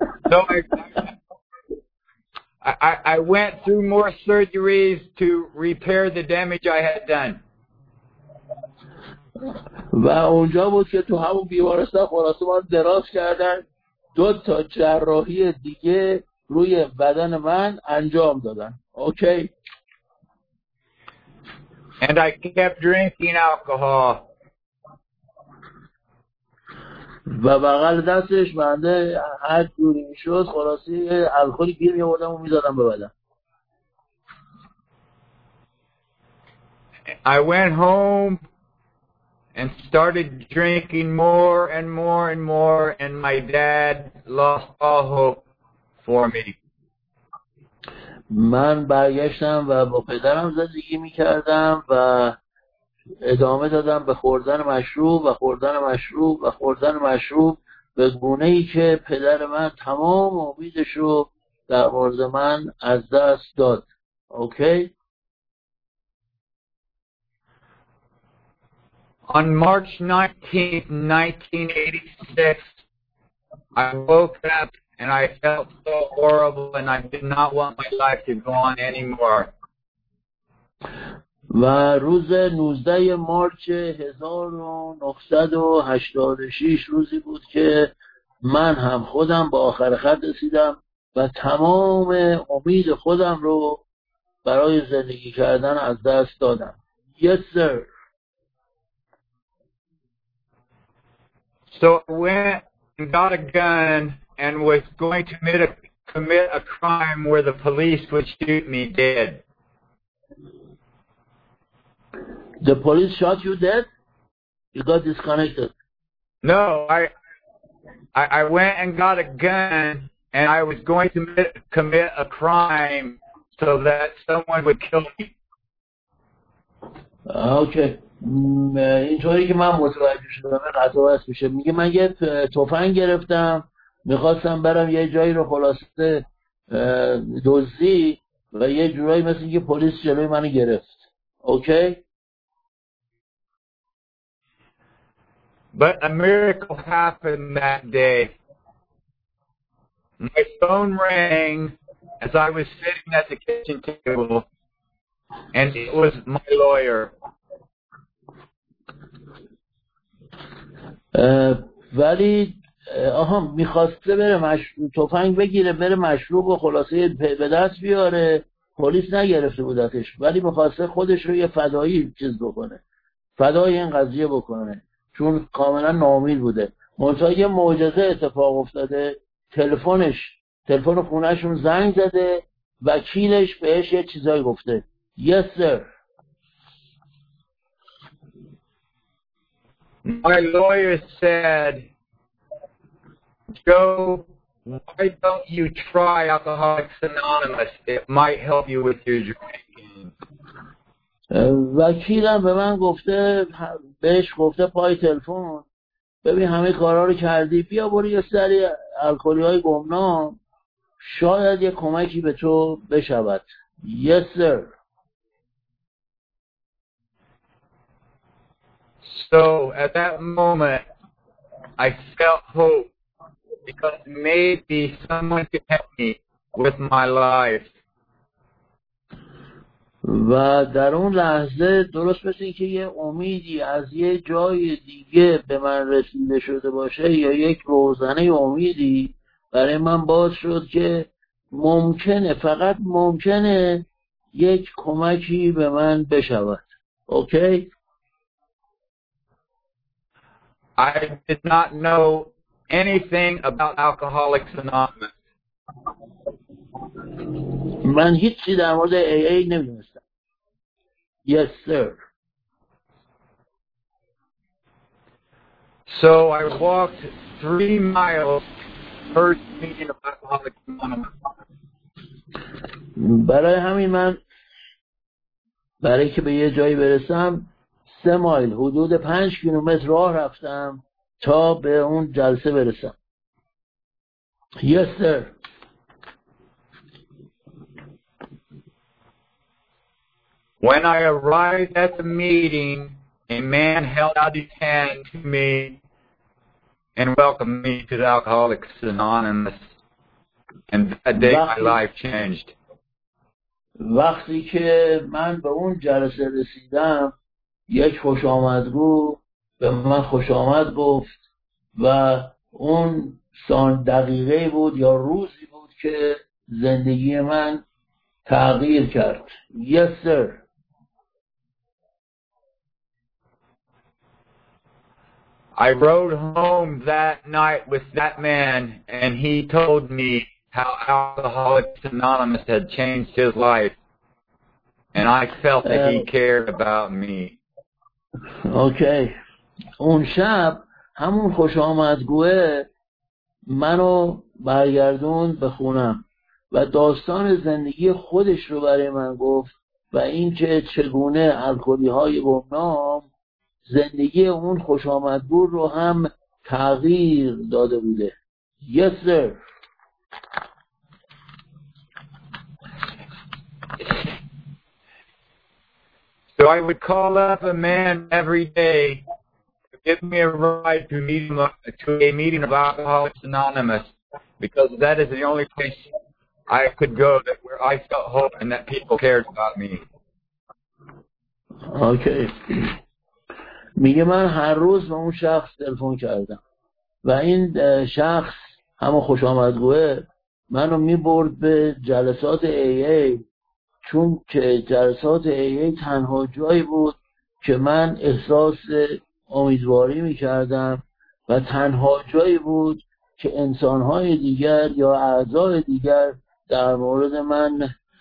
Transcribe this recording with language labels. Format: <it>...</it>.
<en>So I went through more surgeries to repair the damage I had done.</en> <fa>و اونجا بود که تو همون بیمارستان خلاصه من دراز کردن دو تا جراحی دیگه روی بدن من انجام دادن.</fa> <en>Okay. And I kept drinking alcohol.</en> <fa>و بغل دستش منده هر جوری میشد خلاصه الکلی گیر میآوردم و میدادم به بدن.</fa> <en>I went home and started drinking more and more and more, and my dad lost all hope for me.</en> <fa>من برگشتم و با پدرم زندگی می‌کردم و ادامه دادم به خوردن مشروب و خوردن مشروب و خوردن مشروب به گونه‌ای که پدر من تمام امیدش رو در مورد من از دست داد.</fa> <en>Okay? On March 19, 1986, I woke up and I felt so horrible and I did not want my life to go on anymore.</en> <fa>و روز 19 مارچ 1986 روزی بود که من هم خودم به آخر خط رسیدم و تمام امید خودم رو برای زندگی کردن از دست دادم.</fa> <en>Yes, sir. So I went and got a gun and was going to commit a crime where the police would shoot me dead. The police shot you dead? You got disconnected. No, I went and got a gun and I was going to commit a crime so that someone would kill me. Okay.</en> <fa>اینطوری که من متوجه شدم قضاوت میشه. میگه من یه تفنگ گرفتم میخواستم برم یه جایی رو خلاصه دزدی و یه جورایی مثل اینکه پلیس جلوی منو گرفت.</fa> <en>Okay. But a miracle happened that day. My phone rang as I was sitting at the kitchen table and it was my lawyer.</en> <fa>ولی آهام میخواسته بره مشروب تفنگ بگیره بره مشروب و خلاصه به دست بیاره پلیس نگرفته بودتش ولی میخواسته خودش رو یه فدایی چیز بکنه فدای این قضیه بکنه چون کاملا ناامید بوده منتها یه معجزه اتفاق افتاده تلفنش تلفن خونهشون زنگ زده وکیلش بهش یه چیزایی گفته.</fa> <en>Yes sir. My lawyer said, Joe, why don't you try Alcoholics Anonymous? It might help you with your drinking.</en> <fa>وکیلم به من گفته بهش گفته پای تلفن ببین همه کارا رو کردی بیا برو یه سری الکلی های گمنام شاید یه کمکی به تو بشود.</fa> <en>Yes, sir. So at that moment, I felt hope because maybe someone could help me with my life.</en> <fa>و در اون لحظه درست مثل این که یه امیدی از یه جای دیگه به من رسیده شده باشه یا یک روزنه امیدی برای من باز شد که ممکنه فقط ممکنه یک کمکی به من بشود. اوکی؟</fa> <en>I did not know anything about Alcoholics Anonymous.</en> <fa>من هیچی در مورد AA نمی‌دونستم.</fa> <en>Yes, sir. So I walked 3 miles first meeting of Alcoholics Anonymous.</en> <fa>برای همین من برای که به یه جایی برسم 3 مایل حدود 5 کیلومتر راه رفتم تا به اون جلسه برسم.</fa> <en>Yes, sir. When I arrived at the meeting, a man held out his hand to me and welcomed me to the Alcoholics Anonymous. And that day my life changed.</en> <fa>وقتی که من به اون جلسه رسیدم یک خوش آمدگو به من خوش آمد گفت و اون سان دقیقه بود یا روزی بود که زندگی من تغییر کرد.</fa> <en>Yes, sir. I rode home that night with that man and he told me how Alcoholics Anonymous had changed his life and I felt that he cared about me. Okay.</en> <fa>اون شب همون خوش آمدگوه منو برگردون به خونم و داستان زندگی خودش رو برای من گفت و اینکه چگونه الکلی های گمنام زندگی اون خوش آمدگو رو هم تغییر داده بوده.</fa> <en>Yes, sir. So I would call up a man every day to give me a ride to meet him to a meeting of Alcoholics Anonymous because that is the only place I could go that where I felt hope and that people cared about me. Okay.</en> <fa>میگه من هر روز به اون شخص تلفن کردم و این شخص همه خوش آمدگوه منو میبرد به جلسات AA چون که جلسات AA تنها جایی بود که من احساس امیدواری میکردم و تنها جایی بود که انسانهای دیگر یا اعضای دیگر در مورد من</fa>